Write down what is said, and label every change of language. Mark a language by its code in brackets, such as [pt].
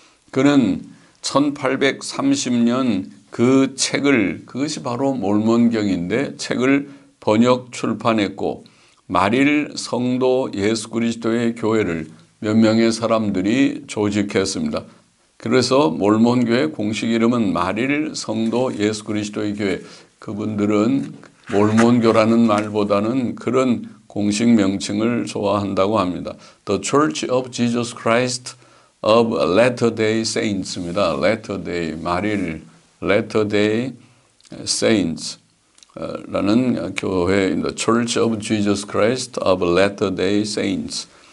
[ko] 그는 1830년 그 책을, 그것이 바로 몰몬경인데, 책을 번역 출판했고, 말일 성도 예수 그리스도의 교회를 몇 명의 사람들이 조직했습니다. 그래서 몰몬교회 공식 이름은 말일 성도 예수 그리스도의 교회. 그분들은 몰몬교라는 말보다는 그런 공식 명칭을 좋아한다고 합니다. [en] The Church of Jesus Christ of Latter-day Saints입니다. [ko] Latter-day, 말일, Latter-day Saints 라는 교회입니다. [en] Church of Jesus Christ of Latter-day Saints.